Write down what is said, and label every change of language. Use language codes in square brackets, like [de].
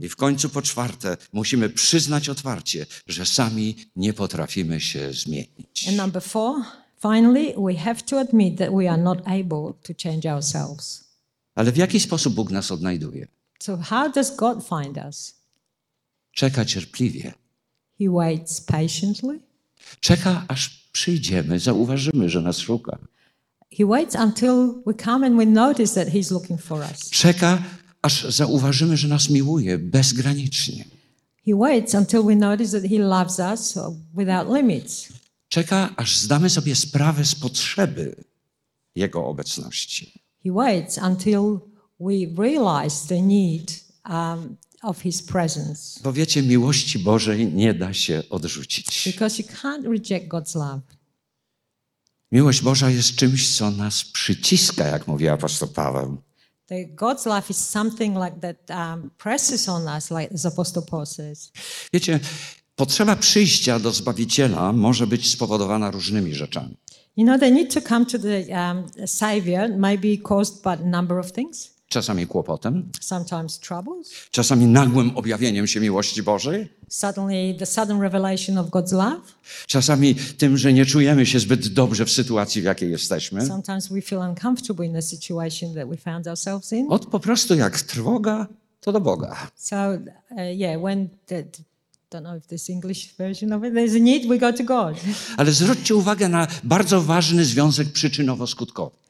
[pl] I w końcu po czwarte, musimy przyznać otwarcie, że sami nie potrafimy się zmienić. [en] And number four, finally, we have to admit that we are not able to change ourselves. [pl] Ale w jaki sposób Bóg nas odnajduje? [en] So how does God find us? [pl] Czeka cierpliwie. [en] He waits patiently. [pl] Czeka, aż przyjdziemy, zauważymy, że nas szuka. [en] He waits until we come and we notice that he's looking for us. [pl] Czeka, aż zauważymy, że nas miłuje bezgranicznie. [en] He waits until we notice that he loves us without limits. [pl] Czeka, aż zdamy sobie sprawę z potrzeby jego obecności. [en] He waits until we realize the need of his presence. [pl] Bo wiecie, miłości Bożej nie da się odrzucić. [en] Because you can't reject God's love. [pl] Miłość Boża jest czymś, co nas przyciska, jak mówi apostoł Paweł. [en] The God's love is something like that presses on us, like the apostle Paul says. [pl] Wiecie, potrzeba przyjścia do Zbawiciela może być spowodowana różnymi rzeczami. [en] You know, the need to come to the Savior may be caused by a number of things. [pl] Czasami kłopotem. [en] Sometimes troubles. [pl] Czasami nagłym objawieniem się miłości Bożej. [en] Suddenly the sudden revelation of God's love. [pl] Czasami tym, że nie czujemy się zbyt dobrze w sytuacji, w jakiej jesteśmy. [en] Sometimes we feel uncomfortable in the situation that we found ourselves in. [pl] Od po prostu jak trwoga, to do Boga. [en] So, when don't know if this English version of it. There's a need, we go to God. [pl] Ale zwróćcie uwagę na bardzo ważny związek przyczynowo-skutkowy.